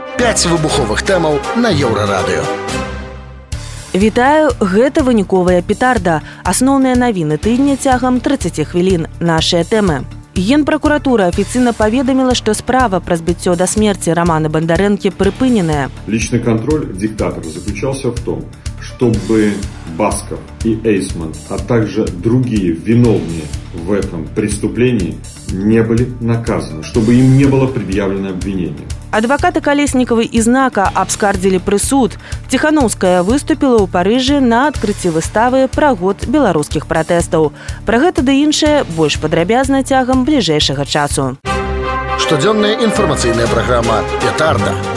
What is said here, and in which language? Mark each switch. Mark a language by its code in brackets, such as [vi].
[be] 5 вибухових темов на Euroradio. Вітаю, гэта выніковая петарда. Асноўныя навіны тыдня цягам 30 хвілін. Нашыя тэмы. Генпрокуратура афіцыйна паведаміла, што справа пра збіццё да смерці Романа Бандарэнкі прыпыненая. [ru] Лічны кантроль диктатора заключался в том, чтобы Басков и Эйсман, а также другие виновные в этом преступлении, не были наказаны, чтобы им не было предъявлено обвинение. [be] Адвокаты Колесніковай і Знака абскардзілі прысуд. Ціханоўская выступіла ў Парыжы на адкрыцці выставы пра год беларускіх пратэстаў. Пра гэта ды іншае больш падрабязна цягам бліжэйшага часу. Штодзённая інфармацыйная праграма «Петарда».